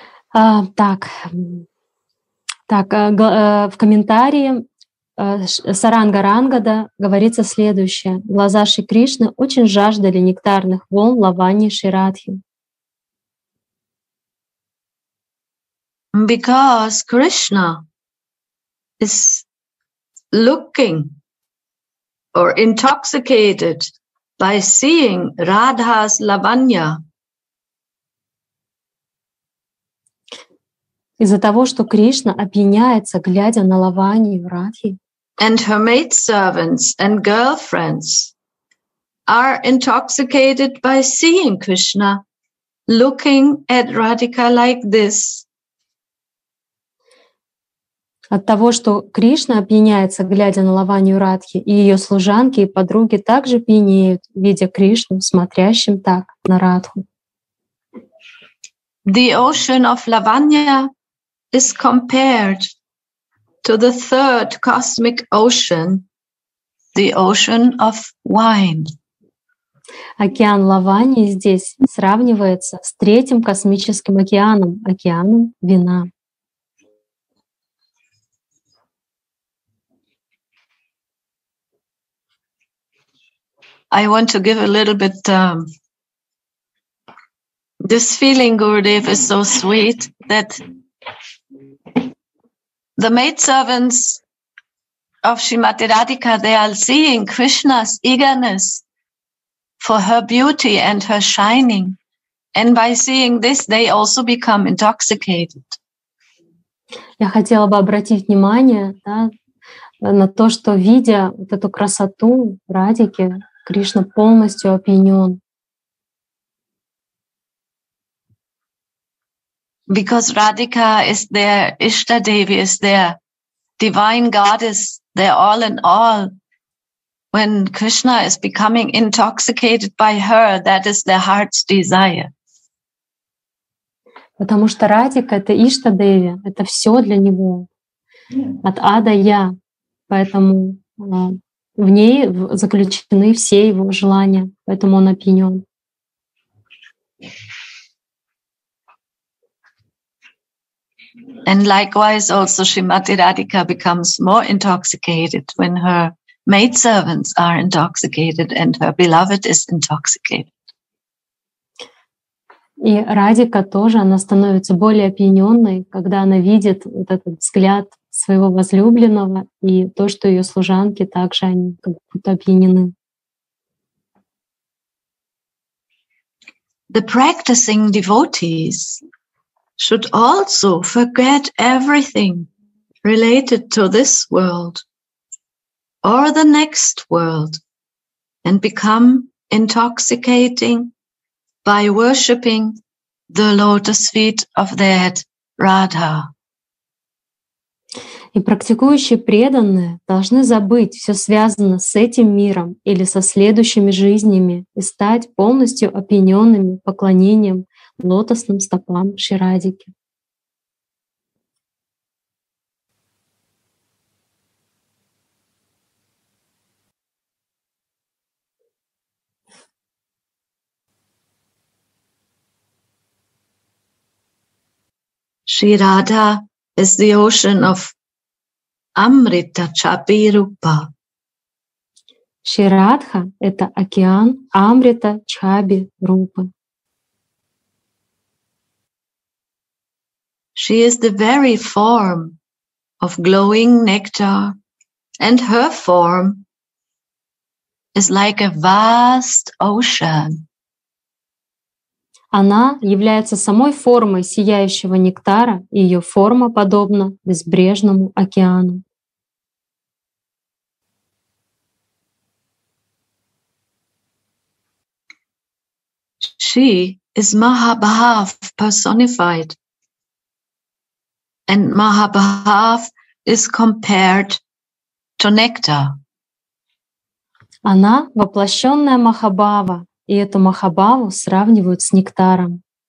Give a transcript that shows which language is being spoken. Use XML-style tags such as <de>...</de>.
<ru>А, так, так, в комментарии Саранга Рангада говорится следующее. Глаза Шри Кришны очень жаждали нектарных волн лаваньи Шри Радхи.</ru> <en>Because Krishna is looking or intoxicated by seeing Radha's lavanya.</en> <ru>Из-за того, что Кришна опьяняется, глядя на лаванью Радхи.</ru> <en>And her maidservants and girlfriends are intoxicated by seeing Krishna looking at Radhika like this.</en> <ru>От того, что Кришна опьяняется, глядя на лаванью Радхи, и ее служанки и подруги также пьянеют, видя Кришну, смотрящим так на Радху.</ru> <en>The ocean of Lavanya is compared to the third cosmic ocean, the ocean of wine.</en> <ru>Океан Лаваньи здесь сравнивается с третьим космическим океаном, океаном вина.</ru> <en>I want to give a little bit this feeling, Gurudev, is so sweet that the maidservants of Srimati Radhika, they are seeing Krishna's eagerness for her beauty and her shining. And by seeing this, they also become intoxicated.</en> <ru>Я хотела бы обратить внимание, да, на то, что видя вот эту красоту Радики, Кришна полностью опьянён.</ru> <en>Because Radhika is there, Ishta Devi is there, divine goddess, they're all in all. When Krishna is becoming intoxicated by her, that is their heart's desire.</en> <ru>Потому что Радика — это Ишта Деви, это все для него, от А до Я. Поэтому в ней заключены все его желания, поэтому он опьянён.</ru> <en>And likewise also Shrimati Radhika becomes more intoxicated when her maidservants are intoxicated and her beloved is intoxicated.</en> <ru>И Радика тоже, она становится более опьянённой, когда она видит вот этот взгляд своего возлюбленного и то, что её служанки также они как будто опьянены.</ru> <en>The practicing devotees should also forget everything related to this world or the next world and become intoxicating by worshipping the lotus feet of that Radha.</en> <ru>И практикующие преданные должны забыть все связанное с этим миром или со следующими жизнями и стать полностью опьяненными поклонением лотосным стопам Шри Радики.</ru> <en>Shri Radha is the ocean of Amrita Chapi Rupa.</en> <ru>Shri Radha — это океан Амрита Чхаби Рупы.</ru> <en>She is the very form of glowing nectar, and her form is like a vast ocean.</en> <ru>Она является самой формой сияющего нектара, и ее форма подобна безбрежному океану.</ru> <en>She is Mahabhav personified, and Mahabhav is compared to nectar.</en> <ru>Она воплощенная Махабхава. И эту Махабхаву сравнивают с нектаром.</ru>